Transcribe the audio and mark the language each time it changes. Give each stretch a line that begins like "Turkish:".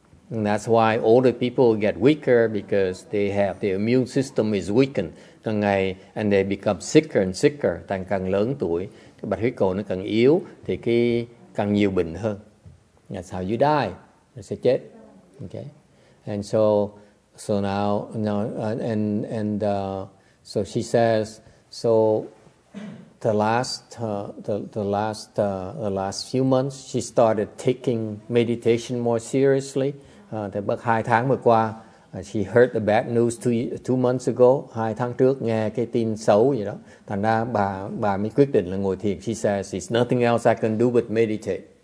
English: And that's why older people get weaker, because they have their immune system is weakened
Vietnamese: càng ngày,
English: and they become sicker and sicker.
Vietnamese: Càng càng lớn tuổi, cái bạch huyết cầu nó càng yếu, thì cái càng nhiều bệnh hơn.
English: That's how you die. You're
Vietnamese: sẽ chết.
English: Okay. And so she says, so the last few months she started taking meditation more seriously.
Vietnamese: Thì bắt 2 tháng vừa qua,
English: she heard the bad news two months ago,
Vietnamese: 2 tháng trước, nghe cái tin xấu gì đó, thành ra bà mới quyết định là ngồi thiền.
English: She says it's nothing else I can do but meditate.